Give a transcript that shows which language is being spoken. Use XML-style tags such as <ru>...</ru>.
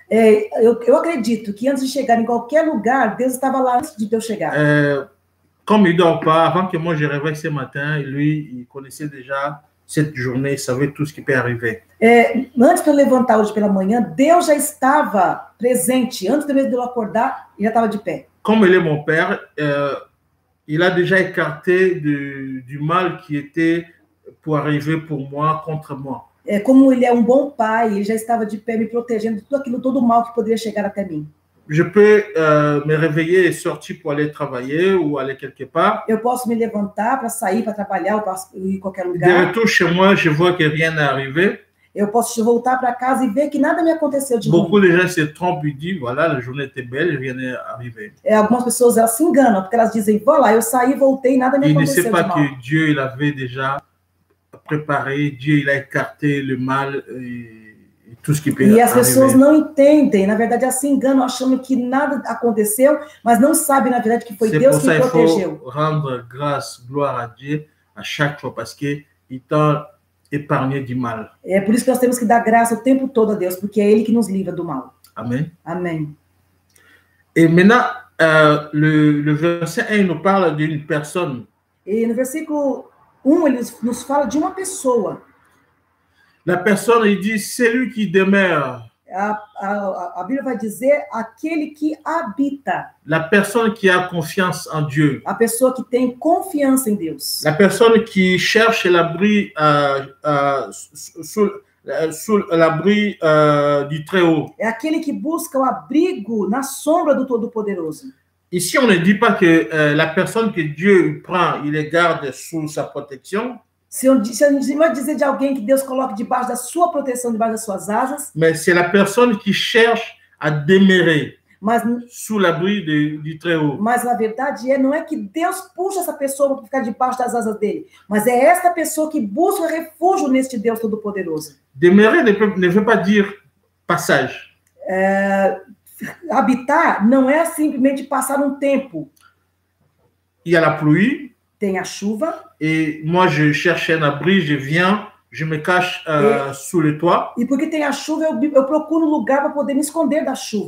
<pt>Eu acredito que antes de chegar em qualquer lugar, Deus estava lá antes de eu chegar.</pt> <fr>Comme il dort pas, avant que moi je réveille ce matin, lui il connaissait déjà cette journée, il savait tout ce qui peut arriver.</fr> <pt>Antes de eu levantar hoje pela manhã, Deus já estava presente. Antes mesmo de eu acordar, ele já estava de pé.</pt> <fr>Comme il est mon père, il a déjà écarté du mal qui était pour arriver pour moi contre moi.</fr> <pt>Como ele é um bom pai, ele já estava de pé me protegendo de tudo aquilo, todo mal que poderia chegar até mim.</pt> <fr>Je peux me réveiller et sortir pour aller travailler ou aller quelque part.</fr> <pt>Eu posso me levantar para sair para trabalhar ou para ir qualquer lugar.</pt> <fr>De retour chez moi, je vois que rien n'est arrivé.</fr> <pt>Eu posso voltar para casa e ver que nada me aconteceu de</pt> <fr>beaucoup de gens se trompent et disent voilà, la journée était belle, rien n'est arrivé.</fr> <pt>Algumas pessoas elas se enganam porque elas dizem voilà, eu saí, voltei, nada me aconteceu de mal.</pt> <fr>Il ne sait pas que Dieu il avait déjà préparé, Dieu il a écarté le mal et tout ce qui peut arriver.</fr> <pt>E as pessoas não entendem, na verdade elas se enganam achando que nada aconteceu, mas não sabem na verdade que foi</pt> <fr>c'est</fr> <pt>Deus</pt> <fr>qui</fr> <pt>protegeu.</pt> <fr>Rendre grâce, gloire à Dieu à chaque fois parce que il t'a épargné du mal.</fr> <pt>É por isso que nós temos que dar graça o tempo todo a Deus, porque é ele que nos livra do mal. Amém. Amém.</pt> <fr>Et maintenant le verset 1 nous parle d'une personne.</fr> <pt>Et no versículo 1, ele nos fala de uma pessoa.</pt> <fr>La personne, il dit, celui qui demeure.</fr> <pt>A Bíblia vai dizer, aquele que habita.</pt> <fr>La personne qui a confiance en Dieu.</fr> <pt>A pessoa que tem confiança em Deus.</pt> <fr>La personne qui cherche l'abri du Très-Haut.</fr> <pt>É aquele que busca o abrigo na sombra do Todo-Poderoso.</pt> <fr>Ici, on ne dit pas que la personne que Dieu prend, il les garde sous sa protection.</fr> <pt>Se</pt> <fr>on dit,</fr> <pt>dizer de alguém que Deus coloque debaixo da sua proteção, debaixo das suas asas.</pt> <fr>Mais c'est la personne qui cherche à demeurer sous l'abri du Très-Haut.</fr> <pt>Mas na verdade não é que Deus puxa essa pessoa para ficar debaixo das asas dele, mas é esta pessoa que busca refúgio neste Deus Todo-Poderoso.</pt> <fr>Demeurer ne veut pas dire passage.</fr> <pt>Habitar não é simplesmente passar tempo.</pt> <fr>Il y a la pluie.</fr> <pt>Tem a chuva.</pt> <fr>Et moi je cherche un abri, je viens, je me cache sous le toit.</fr> <pt>E porque tem a chuva, eu procuro lugar para poder me esconder da chuva.</pt>